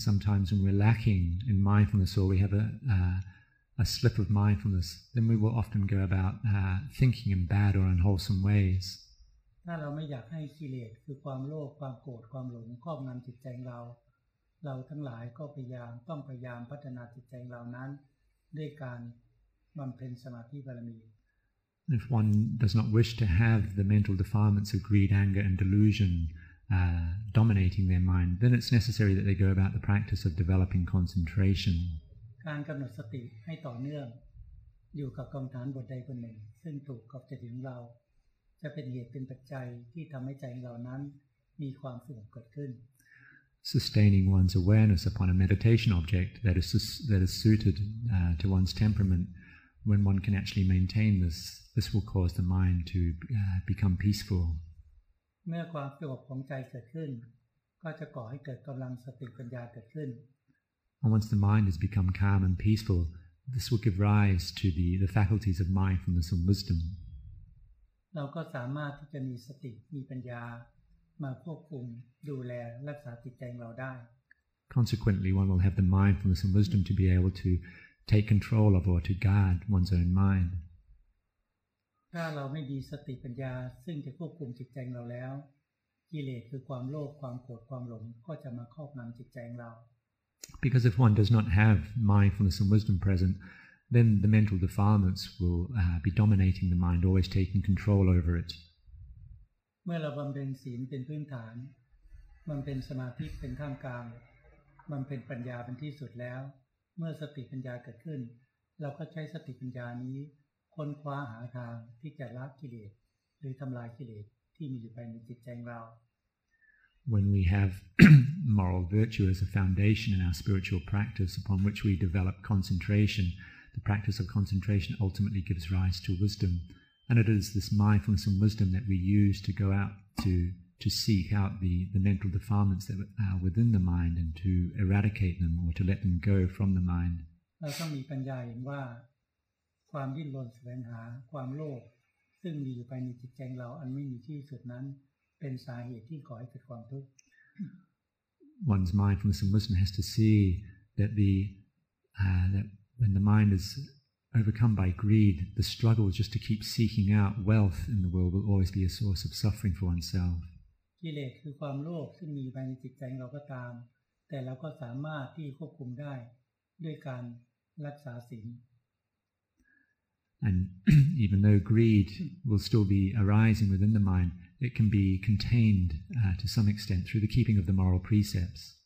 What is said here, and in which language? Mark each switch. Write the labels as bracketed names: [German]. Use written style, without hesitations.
[English] sometimes when we're lacking in mindfulness or we have a slip of mindfulness, then we will often go about thinking in bad or unwholesome ways. [Thai] เราไม่อยากให้กิเลสคือความโลภความโกรธความหลงครอบงำจิตใจเราเราทั้งหลายก็พยายามต้องพยายามพัฒนาจิตใจเหล่านั้นด้วยการบำเพ็ญสมาธิบารมี [English] If one does not wish to have the mental defilements of greed, anger, and delusion dominating their mind, then it's necessary that they go about the practice of developing concentration. [Thai] การกำหนดสติให้ต่อเนื่องอยู่กับกรรมฐานบทใดบทหนึ่งซึ่งถูกกับจิตของเราจะเป็นเหตุเป็นปัจจัยที่ทำให้ใจของเรานั้นมีความสงบเกิดขึ้น [English] Sustaining one's awareness upon a meditation object that is suited to one's temperament, when one can actually maintain this, this will cause the mind to become peaceful [Thai] เมื่อความสงบของใจเกิดขึ้นก็จะก่อให้เกิดกำลังสติปัญญาเกิดขึ้น [English] And once the mind has become calm and peaceful, this will give rise to the faculties of mindfulness and wisdom. [Thai] เราก็สามารถที่จะมีสติมีปัญญามาควบคุมดูแลรักษาจิตใจของเราได้ [English] Consequently, one will have the mindfulness and wisdom to be able to take control of or to guard one's own mind. [Thai] ถ้าเราไม่มีสติปัญญาซึ่งจะควบคุมจิตใจเราแล้วกิเลสคือความโลภความโกรธความหลงก็จะมาครอบงำจิตใจเรา [English] Because if one does not have mindfulness and wisdom present, then the mental defilements will be dominating the mind, always taking control over it. [Thai] เมื่อเราบำเพ็ญศีลเป็นพื้นฐานมันเป็นสมาธิเป็นท่ามกลางมันเป็นปัญญาเป็นที่สุดแล้วเมื่อสติปัญญาเกิดขึ้นเราก็ใช้สติปัญญานี้ค้นคว้าหาทางที่จะละกิเลสหรือทำลายกิเลสที่มีอยู่ภายในจิตใจของเรา [English] When we have moral virtue as a foundation in our spiritual practice upon which we develop concentration, the practice of concentration ultimately gives rise to wisdom, and it is this mindfulness and wisdom that we use to go out to seek out the mental defilements that are within the mind and to eradicate them or to let them go from the mind. [Thai] เราต้องมีปัญญาเห็นว่าความดิ้นรนแสวงหาความโลภซึ่งมีอยู่ภายในจิตใจเราอันไม่มีที่สุดนั้นเป็นสาเหตุที่ก่อให้เกิดความทุกข์ [English] One's mindfulness and wisdom has to see that that when the mind is overcome by greed, the struggle just to keep seeking out wealth in the world will always be a source of suffering for oneself. [Thai] กิเลสคือความโลภซึ่งมีภายในจิตใจเราก็ตามแต่เราก็สามารถที่ควบคุมได้ด้วยการรักษาศีล [English] And even though greed will still be arising within the mind, it can be contained to some extent through the keeping of the moral precepts.